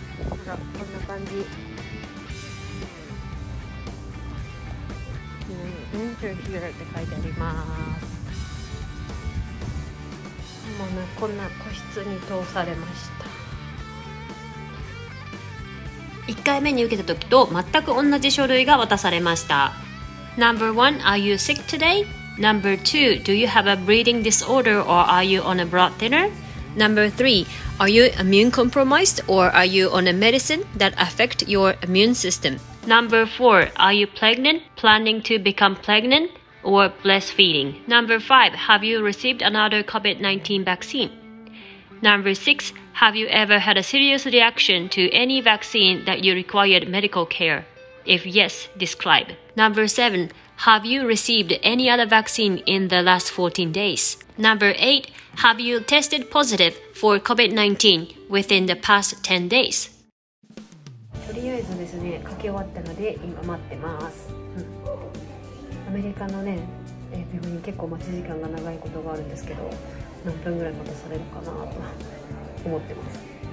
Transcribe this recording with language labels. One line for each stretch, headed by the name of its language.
Japanese: こんな感じ、
English: Enter here
Japanese: って書いてあります。もうね、こんな個室に通されました。 1回目に受けた時と全く同じ書類が渡されました。
English: Number one, are you sick today? Number two, do you have a breathing disorder or are you on a blood thinner? Number three, are you immune compromised or are you on a medicine that affect your immune system? Number four, are you pregnant, planning to become pregnant or breastfeeding? Number five, have you received another COVID-19 vaccine? Number six, have you ever had a serious reaction to any vaccine that you required medical care? If yes, describe. Number seven, have you received any other vaccine in the last 14 days? Number eight, have you tested positive for COVID-19 within the past 10 days?
Japanese: とりあえずですね、書き終わったので今待ってます。アメリカのね、病院結構待ち時間が長いことがあるんですけど、何分ぐらい待たされるかなと思ってます。